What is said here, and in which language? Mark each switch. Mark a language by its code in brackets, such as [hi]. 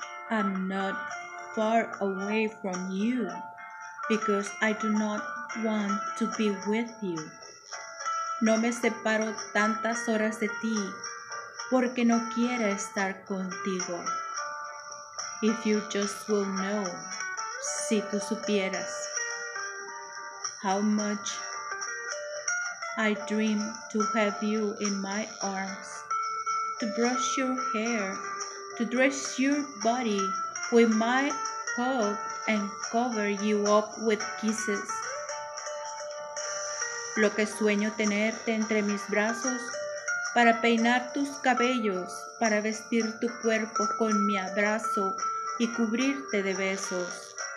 [en] I'm not far away from you because I do not want to be with you. [es] No me separo tantas horas de ti porque no quiero estar contigo. [en] If you just will know, [es] si tú supieras, [en] how much I dream to have you in my arms, to brush your hair, to dress your body with my hug and cover you up with kisses. [es] Lo que sueño tenerte entre mis brazos, para peinar tus cabellos, para vestir tu cuerpo con mi abrazo y cubrirte de besos.